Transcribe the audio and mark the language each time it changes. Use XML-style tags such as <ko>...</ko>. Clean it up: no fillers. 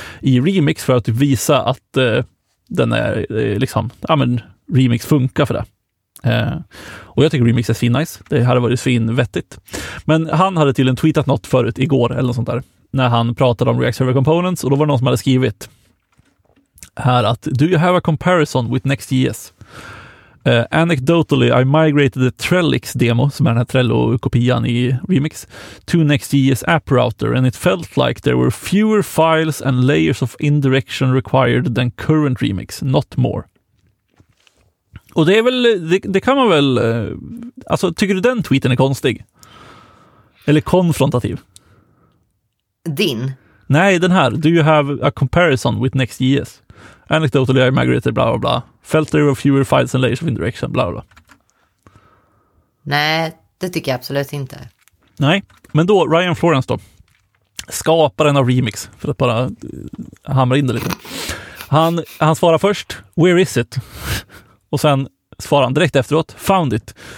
<sv>I Remix för att typ visa att den är liksom, ja men Remix funkar för det. Och jag tycker Remix är finnice. Det här har varit finvettigt. Men han hade tydligen tweetat något förut igår eller något sånt där. När han pratade om React Server Components och då var det någon som hade skrivit här att</sv> <en>do you have a comparison with Next.js? Anecdotally, I migrated the Trellix demo,</en> <sv>som är den här Trello-kopian i Remix,</sv> <en>to Next.js app router, and it felt like there were fewer files and layers of indirection required than current Remix, not more.</en> <sv>Och det är väl, det kan man väl, alltså tycker du den tweeten är konstig? Eller konfrontativ? Din? Nej, den här.</sv> <en>Do you have a comparison with Next.js? Anecdotally, I migrated, bla bla bla. Felt there were fewer files and layers of indirection, bla bla.</en> <sv>Nej, det tycker jag absolut inte. Nej, men då, Ryan Florence då. Skaparen av Remix, för att bara hamra in det lite. Han svarar först,</sv> <en>where is it?</en> <sv>Och sen svarar han direkt efteråt,</sv> <en>found it.</en>